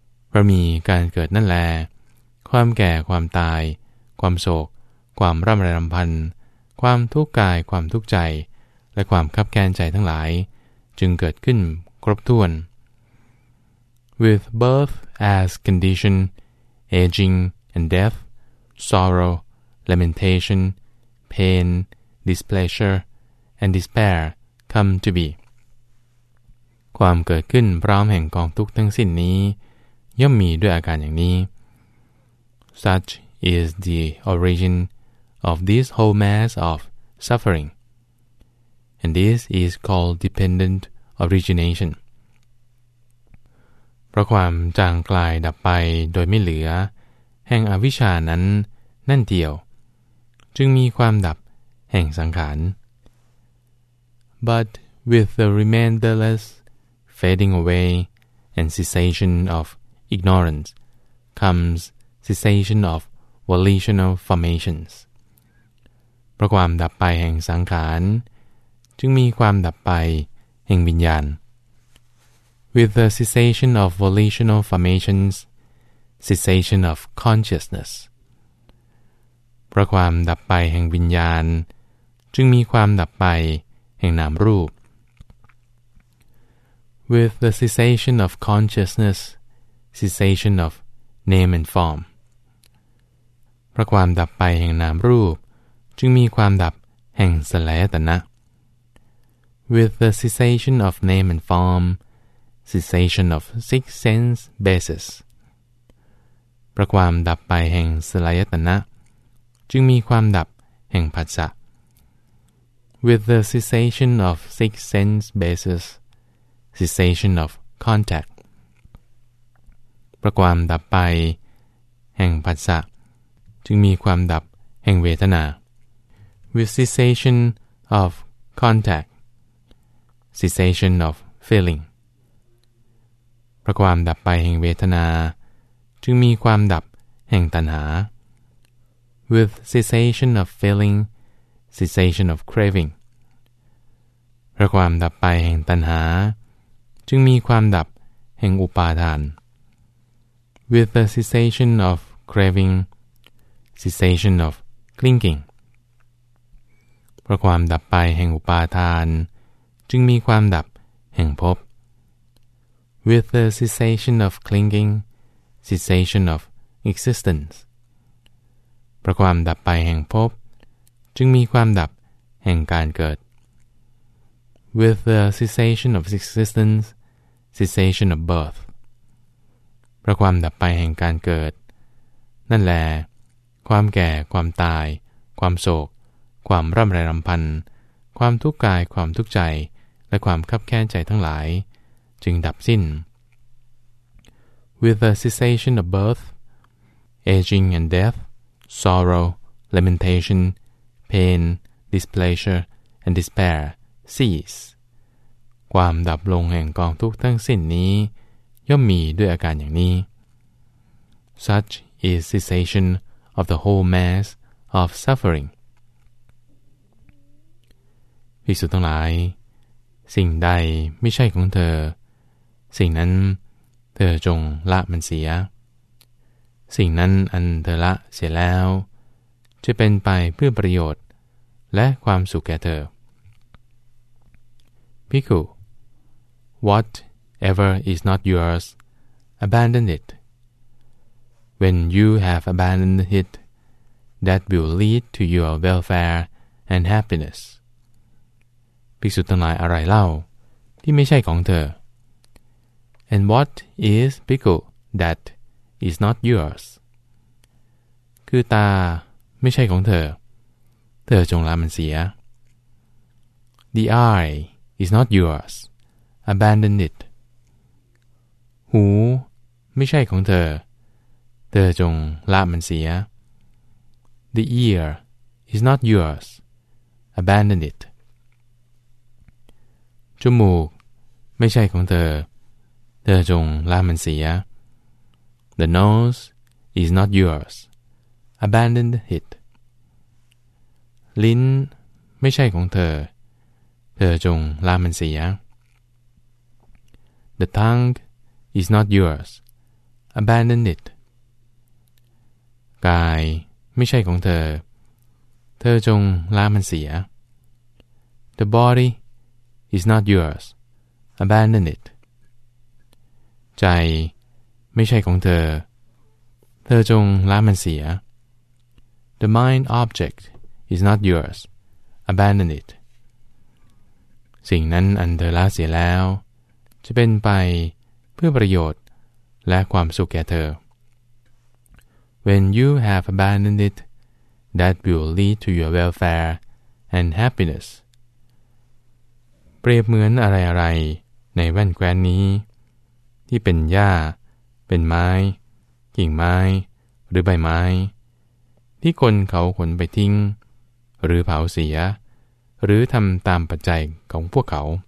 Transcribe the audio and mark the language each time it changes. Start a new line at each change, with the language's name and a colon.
Thai: พระมีการเกิดนั่นแลความแก่ความตายความโศกความร่ำไรรำพันความทุกข์กายความทุกข์ใจและความคับแค้นใจทั้งหลายจึงเกิดขึ้นครบถ้วน
English: With birth as condition, aging and death, sorrow, lamentation, pain, displeasure, and despair come to be.
Thai: ความเกิดขึ้นพร้อมแห่งกองทุกข์ทั้งสิ้นนี้ย่อมมีด้วยอาการอย่างนี้
English: Such is the origin of this whole mass of suffering. And this is called dependent origination. เ
Thai: พราะความจางกลายดับไปโดยไม่เหลือแห่งอวิชชานั้นนั่นเดียวจึงมีความดับแห่งสังขาร
English: But with the remainderlessFading away and cessation of ignorance comes cessation of volitional formations.
Thai: เพราะความดับไปแห่งสังขารจึงมีความดับไปแห่งวิญญาณ
English: With the cessation of volitional formations, cessation of consciousness.
Thai: เพราะความดับไปแห่งวิญญาณจึงมีความดับไปแห่งนามรูป
English: With the cessation of consciousness, cessation of name and form.
Thai: เพราะความดับไปแห่งนามรูปจึงมีความดับแห่งสลายตนะ
English: With the cessation of name and form, cessation of six sense basis.
Thai: เพราะความดับไปแห่งสลายตนะจึงมีความดับแห่งผัสสะ
English: With the cessation of six sense basis. Cessation of contact.
Thai: ประความดับไปแห่งผัสสะจึงมีความดับแห่งเวทนา
English: With cessation of contact, cessation of feeling.
Thai: ประความดับไปแห่งเวทนาจึงมีความดับแห่งตัณหา
English: With cessation of feeling, cessation of craving.
Thai: ประความดับไปแห่งตัณหาจึงมีความดับแห่งอุปาทาน
English: With the cessation of craving, cessation of clinging.
Thai: เพราะความดับไปแห่งอุปาทานจึงมีความดับแห่งภพ
English: With the cessation of clinging, cessation of existence.
Thai: เพราะความดับไปแห่งภพจึงมีความดับแห่งการเกิด
English: With the cessation of existence, cessation of birth.
Thai: เพราะความดับไปแห่งการเกิดนั่นแลความแก่ความตายความโศกความร่ำไรรำพันความทุกข์กายความทุกข์ใจและความคับแค้นใจทั้งหลายจึงดับสิ้น
English: With the cessation of birth, aging and death, sorrow, lamentation, pain, displeasure, and despair. Cease.
Thai: ความดับลงแห่งกองทุกข์ทั้งสิ้นนี้ย่อมมีด้วยอาการอย่างนี้
English: Such is cessation of the whole mass of suffering.
Thai: ภิกษุทั้งหลายสิ่งใดไม่ใช่ของเธอสิ่งนั้นเธอจงละมันเสียสิ่งนั้นอันเธอละเสียแล้วจะเป็นไปเพื่อประโยชน์และความสุขแก่เธอ
English: ภิกษุ whatever is not yours abandon it when you have abandoned it that will lead to your welfare and happiness
Thai: ภิกษุทั้งหลายอะไรเล่าที่ไม่ใช่ของเธอ
English: And what is bhikkhu that is not yours
Thai: คือตาไม่ใช่ของเธอเธอจงละมันเสีย
English: The eye is not yours abandon it
Thai: หูไม่ใช่ของเธอเธอจงละมันเสีย
English: The ear is not yours abandon it
Thai: จมูกไม่ใช่ของเธอเธอจงละมันเสีย
English: The nose is not yours. Abandon it.
Thai: ลิ้นไม่ใช่ของเธอเธอจงละมันเสีย
English: The tongue is not yours. Abandon it.
Thai: กายไม่ใช่ของเธอเธอจงละมันเสีย
English: The bodyIs not yours. Abandon it.
Thai: ใจไม่ใช่ของเธอเธอจงละมันเสีย
English: The mind object is not yours. Abandon it.
Thai: สิ่งนั้นอันเธอละเสียแล้วจะเป็นไปเพื่อประโยชน์และความสุขแก่เธ
English: อ When you have abandoned it, that will lead to your welfare and happiness.
Thai: เปรียบเหมือนอะไรๆในแว่นแกว้นนี้ที่เป็นหญ้าเป็นไม้กิ่งไม้หรือใบไม้ที่คนเขาขนไปทิ้งหรือเผาเสียหรือทำตามปัจจัยของพวกเขา